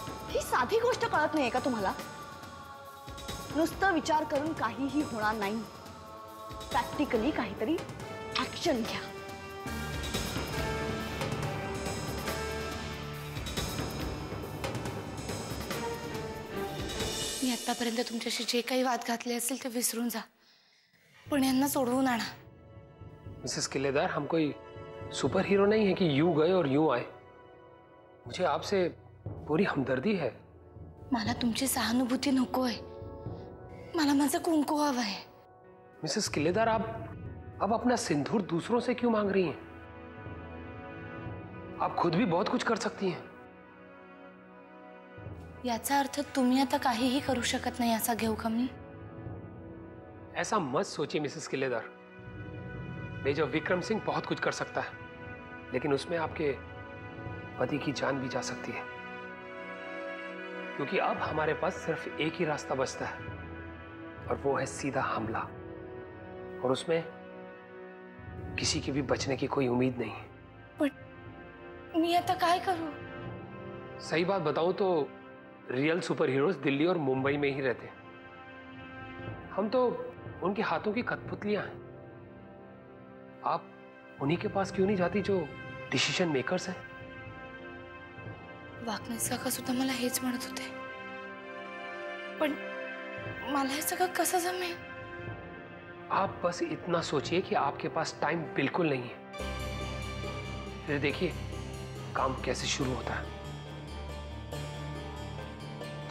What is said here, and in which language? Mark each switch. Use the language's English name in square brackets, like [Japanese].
[Marathi] ही साधी गोष्ट कळत नाहीये का तुम्हाला? नुसतं विचार करून काहीही होणार नाही, प्रॅक्टिकली काहीतरी ऍक्शन घ्या. मी आतापर्यंत तुमच्याशी जे काही वाद घातले असेल ते विसरून जा, पण यांना सोडवून आणा. [Hindi] मिसेस किल्लेदार, हम कोई सुपर हीरो नहीं है कि यू गए और यू आए. मुझे आपसे पूरी हमदर्दी है. [Marathi] मला तुमची सहानुभूती नकोय, मला माझं कुंकू हवं आहे. [Hindi] मिसेस किल्लेदार, आप अपना सिंदूर दूसरों से क्यों मांग रही हैं? आप खुद भी बहुत कुछ कर सकती हैं. [Marathi] याचा अर्थ तुम्ही आता काहीही करू शकत नाही असा घेऊ का मी? [Hindi] ऐसा मत सोचिए मिसेस किल्लेदार. मेजर विक्रम सिंह बहुत कुछ कर सकता है, लेकिन उसमें आपके पति की जान भी जा सकती है, क्योंकि अब हमारे पास सिर्फ एक ही रास्ता बचता है और वो है सीधा हमला, और उसमें किसी के भी बचने की कोई उम्मीद नहीं है. पर मैं तो काय करूं? सही बात बताऊं तो रियल सुपर हीरोज दिल्ली और मुंबई में ही रहते हैं. हम तो उनके हाथों की कठपुतलियां हैं. आप उन्हीं के पास क्यों नहीं जाती जो डिसीजन मेकर्स हैं? [Marathi] वाकनेसा का सुधा मला हेच म्हणत होते, पण मला हे सगळं कसं जमे? [Hindi] आप बस इतना सोचिए कि आपके पास टाइम बिल्कुल नहीं है. फिर देखिए काम कैसे शुरू होता है.